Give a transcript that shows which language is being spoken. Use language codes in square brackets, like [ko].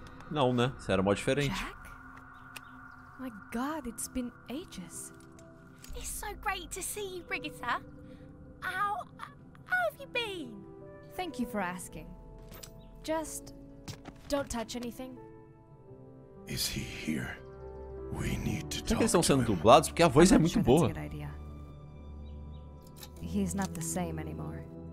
[pt] Não, né? Você era mó diferente. [en] My god, it's been ages. It's so great to see you, Brigitte. How have you been? Thank you for asking. Just don't touch anything. Is he here? We need to talk. [pt] Eles estão sendo dublados porque a voz é muito boa. [en] He's not the same anymore.